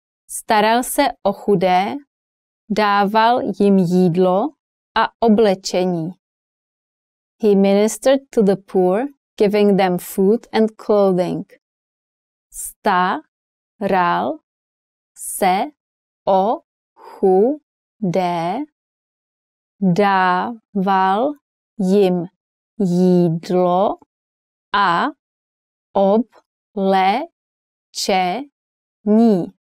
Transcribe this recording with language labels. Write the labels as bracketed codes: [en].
[cs] Staral se o chudé, dával jim jídlo a oblečení. [en] He ministered to the poor, giving them food and clothing. [cs] Staral se o chudé, dával jim jídlo a oblečení.